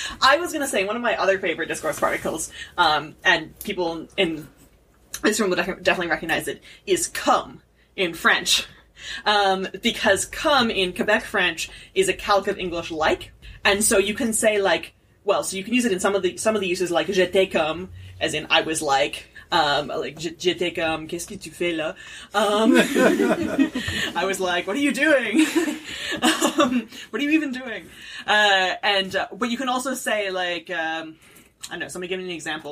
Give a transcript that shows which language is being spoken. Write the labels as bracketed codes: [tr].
[en] I was going to say, one of my other favorite discourse particles, and people in this room will definitely recognize it, is come in French. Because come in Quebec French is a calque of English like, and so you can say like, well, so you can use it in some of the uses, like [fr] j'étais comme, [en] as in I was like. [fr] J'étais comme, qu'est-ce que tu fais là? [en] I was like, what are you doing? what are you even doing? But you can also say, like, I don't know, somebody give me an example.